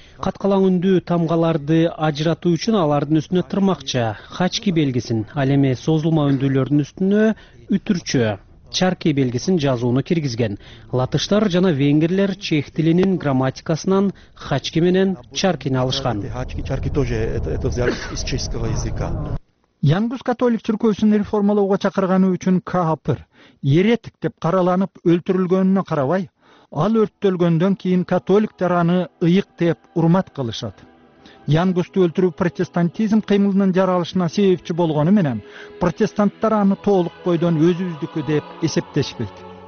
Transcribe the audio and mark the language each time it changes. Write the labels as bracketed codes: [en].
[ky] Каткалаң үндүү тамгаларды ажыратуу үчүн алардын үстүнө тырмакча, хачки белгисин, ал эми созулма үндүүлөрдүн үстүнө үтүрчү, чарки белгисин жазууну киргизген. Латыштар жана венгерлер чех тилинин грамматикасынан хачки менен чаркини алышкан. [ru] Хачки, чарки тоже это взяли из чешского языка. [ky] Янгус католик чиркөөсүн реформалоого чакырганы үчүн каапыр, еретик деп караланып өлтүрүлгөнүнө карабай, ал өрттөлгөндөн кийин католиктер аны ыйык деп урмат кылышат. Янгусту өлтүрүү протестантизм кыймылынын жаралышына себепчи болгону менен протестанттар аны толук бойдон өзүбүздүкү деп эсептешпейт.